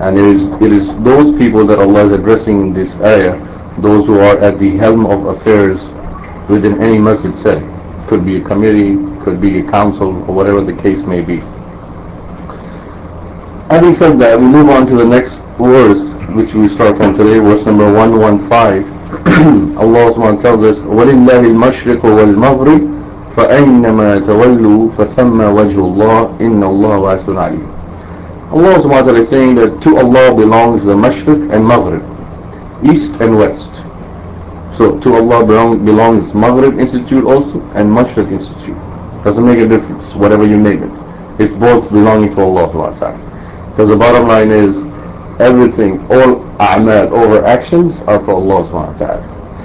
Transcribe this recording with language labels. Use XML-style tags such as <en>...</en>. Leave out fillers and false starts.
<en>And it is those people that Allah is addressing this ayah, those who are at the helm of affairs within any masjid setting. Could be a committee, could be a council, or whatever the case may be. Having said that, we move on to the next verse, which we start from today, verse number 115. Allah SWT tells us,</en> <ar>وَلِلَّهِ الْمَشْرِقُ وَالْمَغْرِبُ فَأَيْنَمَا تَوَلُّوا فَثَمَّ وَجْهُ اللَّهِ إِنَّ اللَّهَ وَاسِعٌ عَلِيمٌ.</ar> <en>Allah SWT is saying that to Allah belongs the Mashriq and Maghrib, East and West. So to Allah belongs Maghrib Institute also and Mashriq Institute. Doesn't make a difference, whatever you name it. It's both belonging to Allah SWT. Because the bottom line is, everything, all a'mal, all actions are for Allah subhanahu wa ta'ala.</en>